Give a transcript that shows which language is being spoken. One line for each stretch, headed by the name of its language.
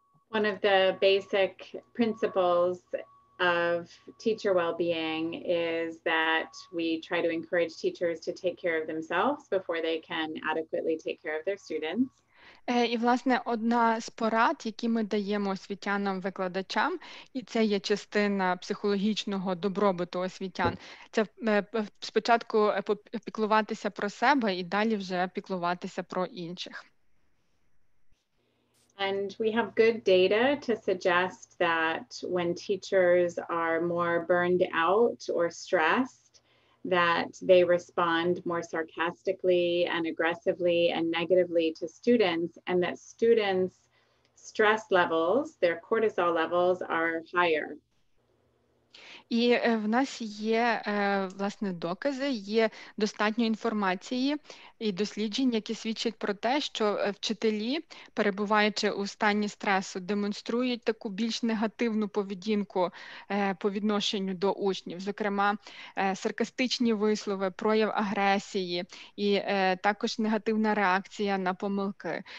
English: One of the basic principles of teacher well-being is that we try to encourage teachers to take care of themselves before they can adequately take care of their students.
Ukrainian: І, власне, одна з порад, які ми даємо освітянам-викладачам, і це є частина психологічного добробуту освітян, це спочатку піклуватися про себе і далі вже піклуватися про інших.
English: And we have good data to suggest that when teachers are more burned out or stressed, that they respond more sarcastically and aggressively and negatively to students, and that students' stress levels, their cortisol levels, are higher.
Ukrainian: І в нас є, власне, докази, є достатньо інформації і досліджень, які свідчать про те, що вчителі, перебуваючи у стані стресу, демонструють таку більш негативну поведінку по відношенню до учнів, зокрема, саркастичні вислови, прояв агресії і також негативна реакція на помилки.